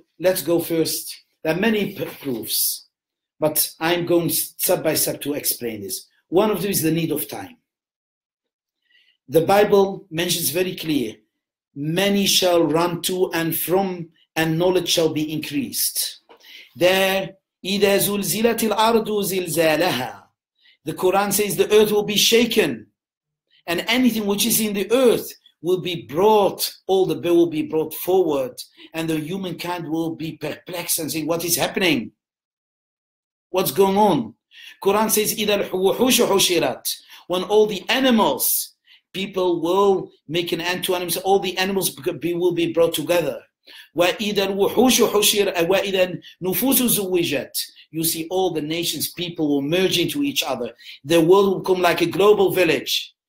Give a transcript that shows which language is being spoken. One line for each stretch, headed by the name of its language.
English: Let's go first. There are many proofs, but I'm going step by step to explain this. One of them is the need of time. The Bible mentions very clear, many shall run to and from, and knowledge shall be increased.
Arabic: There, إِذَا زُلْزِلَتِ الْأَرْضُ زِلْزَالَهَا.
English: The Quran says the earth will be shaken, and anything which is in the earth will be brought, all the bill will be brought forward, and the humankind will be perplexed and say, what is happening? What's going on?
Arabic: Quran says, إِذَا الْحُوحُشُ حُشِرَتْ.
English: When all the animals, people will make an end to animals, all the animals will be brought together.
Arabic: وَإِذَا الْوُحُوشُ حُشِرَتْ وَإِذَا النُّفُوسُ زُوِّجَتْ.
English: You see all the nations, people will merge into each other. The world will come like a global village.